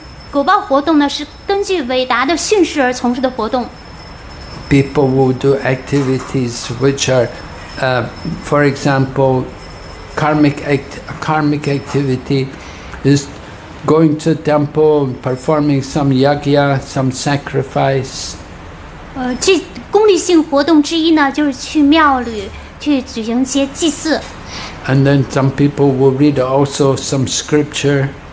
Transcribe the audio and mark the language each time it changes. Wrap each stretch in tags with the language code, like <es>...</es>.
<zh>果报活动呢是根据韦达的训示而从事的活动。</zh> <en>People will do activities which are, for example, karmic activity is going to temple, performing some yajna, some sacrifice.</en> <zh>这功利性活动之一呢，就是去庙里去举行些祭祀。</zh> <en>And then some people will read also some scripture.</en>